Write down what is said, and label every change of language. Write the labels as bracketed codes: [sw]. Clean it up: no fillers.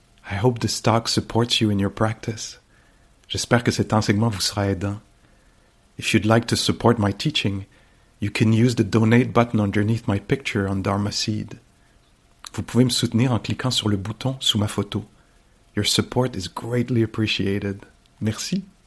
[en] I hope this talk supports you in your practice. [fr] J'espère que cet enseignement vous sera aidant. [en] If you'd like to support my teaching, you can use the donate button underneath my picture on Dharma Seed. [fr] Vous pouvez me soutenir en cliquant sur le bouton sous ma photo. [en] Your support is greatly appreciated. [fr] Merci.